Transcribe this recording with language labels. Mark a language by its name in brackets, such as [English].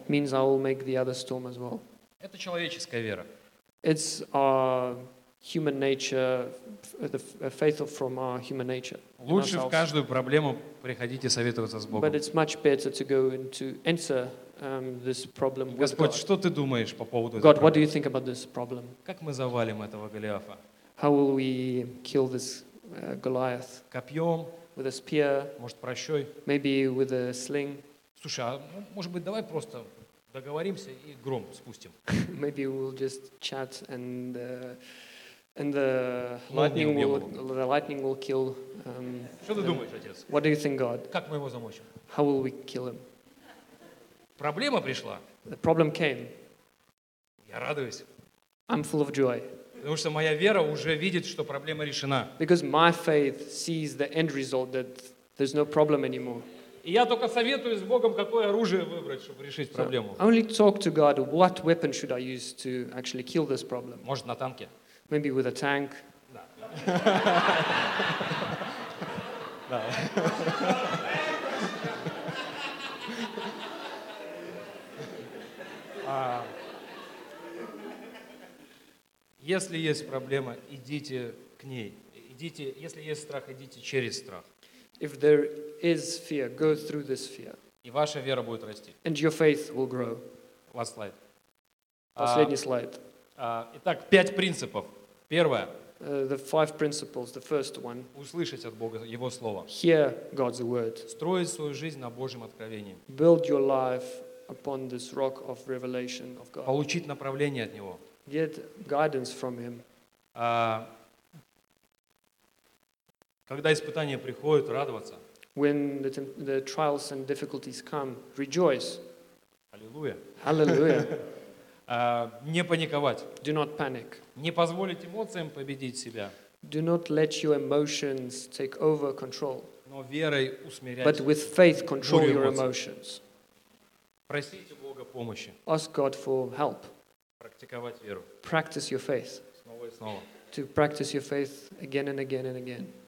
[English] Means I will make the other storm as well. [Russian] Это человеческая вера. [English] It's our human nature, the faith from our human nature. [Russian] Лучше в каждую проблему приходите советоваться с Богом. [English] But it's much better to go into answer this problem with God. [Russian] Господь, что ты думаешь по поводу [English] God, what do you think about this problem? [Russian] Как мы завалим этого Голиафа? [English] How will we kill this Goliath? [Russian] Копьем? [English] With a spear? [Russian] Может, прощой? [English] Maybe with a sling? [Russian] Слушай, а может быть, давай просто договоримся и гром спустим. [English] Maybe we'll just chat and the lightning will kill. [Russian] Что ты думаешь, отец? [English] What do you think, God? [Russian] Как мы его замочим? [English] How will we kill him? [Russian] Проблема пришла. [English] The problem came. [Russian] Я радуюсь. [English] I'm full of joy. [Russian] Потому что моя вера уже видит, что проблема решена. [English] Because my faith sees the end result that there's no problem anymore. [Russian] И я только советую с Богом, какое оружие выбрать, чтобы решить проблему. [English] So, only talk to God, what weapon should I use to actually kill this problem? [Russian] Может, на танке? [English] Maybe with a tank. [Russian] Да. Да. Если есть проблема, идите к ней. Идите, если есть страх, идите через страх. [English] If there is fear, go through this fear. [Russian] И ваша вера будет расти. [English] And your faith will grow. Last slide. [Russian] Последний слайд. Итак, пять принципов. Первое. [English] The five principles, the first one. [Russian] Услышать от Бога Его Слово. [English] Hear God's word. [Russian] Строить свою жизнь на Божьем откровении. [English] Build your life upon this rock of revelation of God. [Russian] Получить направление от Него. [English] Get guidance from Him. [Russian] Когда испытания приходят, радоваться. [English] When the trials and difficulties come, rejoice. [Russian] Аллилуйя. Аллилуйя. Не паниковать. [English] Do not panic. [Russian] Не позволить эмоциям победить себя. [English] Do not let your emotions take over control. [Russian] Но верой усмирять. [English] But with faith control your emotions. [Russian] Просите Бога помощи. [English] Ask God for help. [Russian] Практиковать веру. [English] Practice your faith. [Russian] Снова и снова. [English] To practice your faith again and again and again.